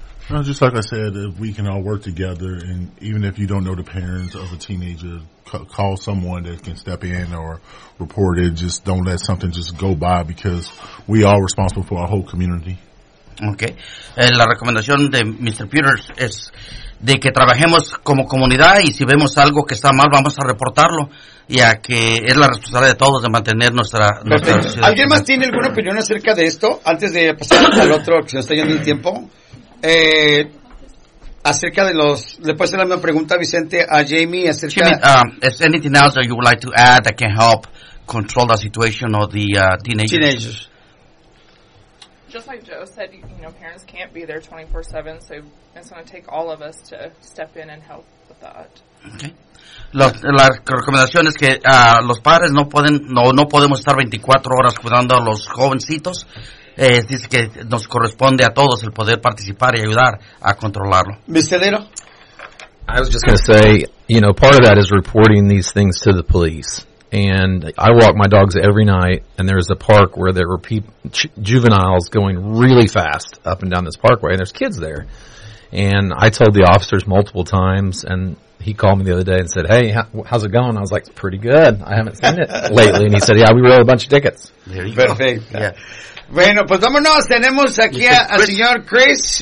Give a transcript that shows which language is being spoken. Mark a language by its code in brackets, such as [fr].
[en] No, just like I said, if we can all work together, and even if you don't know the parents of a teenager, call someone that can step in or report it. Just don't let something just go by, because we are responsible for our whole community. [es] Okay. La recomendación de Mr. Peters es de que trabajemos como comunidad, y si vemos algo que está mal, vamos a reportarlo, ya que es la responsabilidad de todos de mantener nuestra sociedad. ¿Alguien más tiene alguna opinión acerca de esto? Antes de pasar al otro, que se nos está yendo el tiempo. Acerca de los, después de la misma pregunta, Vicente, a Jamie, [en] Is there anything else that you would like to add that can help control the situation of the teenagers? Just like Joe said, parents can't be there 24/7, so it's going to take all of us to step in and help with that. Okay. [es] La recomendación es que los padres no podemos estar 24 horas cuidando a los jovencitos. Dice que nos corresponde a todos el poder participar y ayudar a controlarlo. Mistelero. [en] I was just going to say, part of that is reporting these things to the police. And I walk my dogs every night, and there's a park where there were juveniles going really fast up and down this parkway, and there's kids there. And I told the officers multiple times, and he called me the other day and said, hey, how's it going? I was like, pretty good. I haven't seen it lately. And he said, yeah, we wrote a bunch of tickets. There you Perfect. Go. Yeah. [es] Bueno, pues vámonos, tenemos aquí al señor Chris.